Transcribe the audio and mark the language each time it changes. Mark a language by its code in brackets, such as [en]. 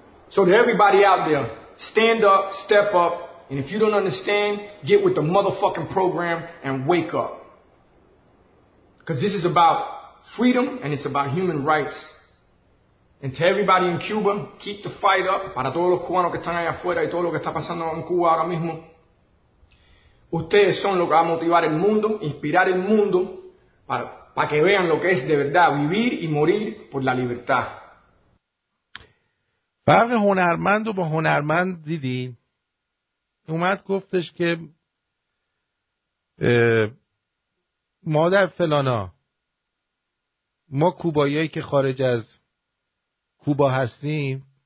[en] So to everybody out there, stand up, step up, and if you don't understand, get with the motherfucking program and wake up. Because this is about freedom and it's about human rights. And to everybody in Cuba, keep the fight up. [es] Para todos los cubanos que están allá afuera y todo lo que está pasando en Cuba ahora mismo. Ustedes son los que van a motivar el mundo, inspirar el mundo, para que vean lo que es de verdad vivir y morir por la libertad. [fa] فرق هنرمند و با هنرمند دیدین؟ اومد گفتش که مادر فلانا، ما کوبایی که خارج از کوبا هستیم،